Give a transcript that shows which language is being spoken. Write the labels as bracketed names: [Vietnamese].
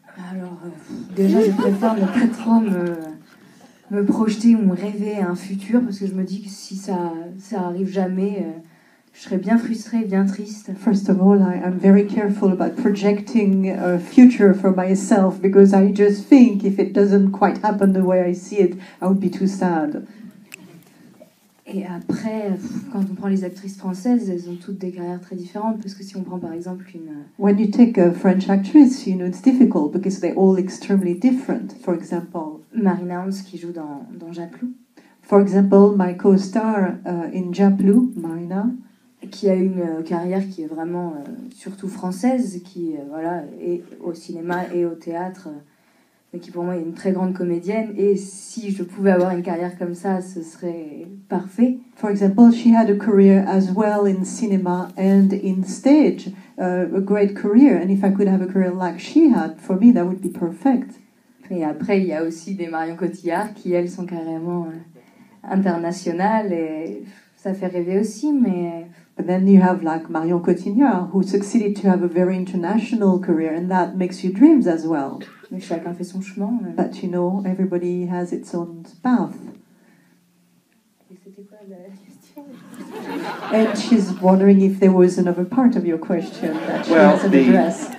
[French] Alors, déjà, je préfère ne pas trop me projeter ou me rêver à un futur, parce que je me dis que si ça arrive jamais, je serais bien frustrée, bien triste. [English] First of all, I am very careful about projecting a future for myself, because I just think if it doesn't quite happen the way I see it, I would be too sad. [French] Et après, quand on prend les actrices françaises, elles ont toutes des carrières très différentes, parce que si on prend par exemple une... [English] When you take a French actress, you know, it's difficult, because they're all extremely different, for example. [French] Marina Hans, qui joue dans Jappeloup. [English] For example, my co-star in Jappeloup, Marina, [French] qui a une carrière qui est vraiment surtout française, qui voilà, est au cinéma et au théâtre, mais qui pour moi est une très grande comédienne. Et si je pouvais avoir une carrière comme ça, ce serait parfait. [English] For example, she had a career as well in cinema and in stage, a great career. And if I could have a career like she had, for me, that would be perfect. [French] Et après, il y a aussi des Marion Cotillard qui, elles, sont carrément internationales et ça fait rêver aussi, mais... [English] But then you have like Marion Cotillard, who succeeded to have a very international career, and that makes you dreams as well. [French] Mais chacun fait son chemin. [English] But you know, everybody has its own path. [French] Et c'était quoi la question? [English] And she's wondering if there was another part of your question that she hasn't addressed.